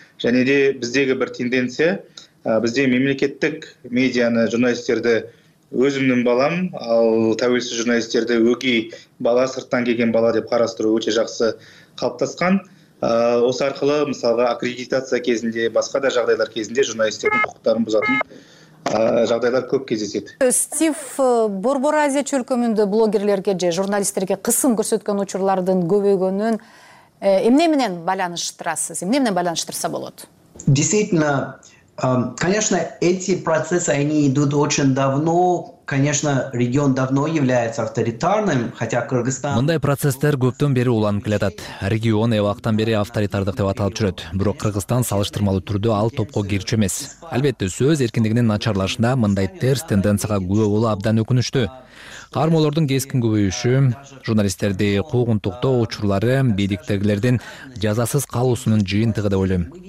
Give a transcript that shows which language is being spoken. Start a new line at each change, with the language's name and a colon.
Kazakh: Және де біздегі бір тенденция, бізде мемлекеттік медианы, журналистерді өзімнің балам, ал тәуелсіз журналистерді өгей бала, сырттан келген бала деп қарастыру өте жақсы қалыптасқан. Осы арқылы мысалға аккредитация кезінде, басқа да жағдайлар кезінде журналистердің құқықтарын бұзатын жағдайлар көп кездеседі.
Kyrgyz: Стив Борборазия чөлкөмүндө блогерлерге же журналистерге қысым көрсөткөн учурлардын көбөйгөнүн эмне менен байланыштырасыз? Эмне менен байланыштырса болот?
Russian: Действительно, конечно, эти процессы, они идут очень давно. Конечно, регион давно является авторитарным, хотя Кыргызстан...
Kyrgyz: Мындай процесстер көптөн бери уланып келатат. Регион эбактан бери авторитардык деп аталып жүрөт. Бирок Кыргызстан салыштырмалуу түрдө ал топко кирчү эмес. Албетте, сөз эркиндигинин начарлашында мындай терс тенденцияга күбө болуу абдан өкүнүчтүү. Кармоолордун кескин көбөйүшү, журналисттерди куугунтуктоо учурлары бийликтегилердин жазасыз калуусунун жыйынтыгы деп ойлойм.